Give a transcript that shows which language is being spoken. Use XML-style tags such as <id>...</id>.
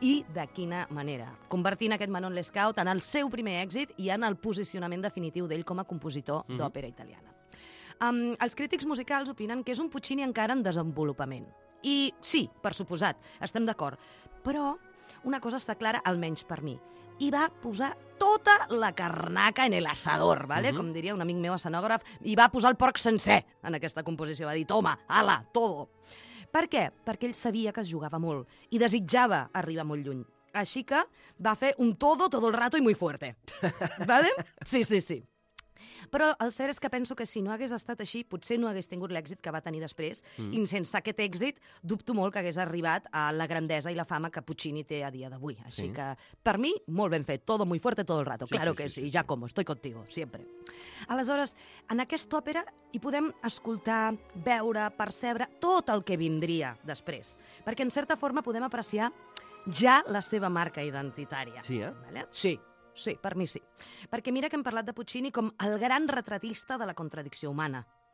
<ca>I de quina manera. Convertint aquest Manon Lescaut en el seu primer èxit i en el posicionament definitiu d'ell com a compositor d'òpera italiana. Els crítics musicals opinen que és un Puccini encara en desenvolupament. I sí, per suposat, estem d'acord. Però una cosa està clara, almenys per mi. I va posar tota la</ca> <es>carnaca en el asador,</es> <ca>¿vale? Com diria un amic meu escenògraf, i va posar el porc sencer en aquesta composició. Va dir,</ca> <es>toma, ala, todo.</es> <ca>Per què? Perquè ell sabia que es jugava molt i desitjava arribar molt lluny. Així que va fer un</ca> <es>todo, todo el rato y muy fuerte.</es> <ca>¿Vale? Sí, sí, sí. Però el cert és que penso que si no hagués estat així, potser no hagués tingut l'èxit que va tenir després. Mm. I sense aquest èxit, dubto molt que hagués arribat a la grandesa i la fama que Puccini té a dia d'avui. Així que, per mi, molt ben fet.</ca> <es>Todo muy fuerte todo el rato. Sí, claro sí, que sí, sí, sí. Giacomo, estoy contigo, siempre.</es> <ca>Aleshores, en aquesta òpera hi podem escoltar, veure, percebre tot el que vindria després. Perquè, en certa forma, podem apreciar ja la seva marca identitària. Sí, eh? Vale? Sí. Sí, per mi sí. Perquè mira que hem parlat de Puccini com el gran retratista de la contradicció humana.</ca>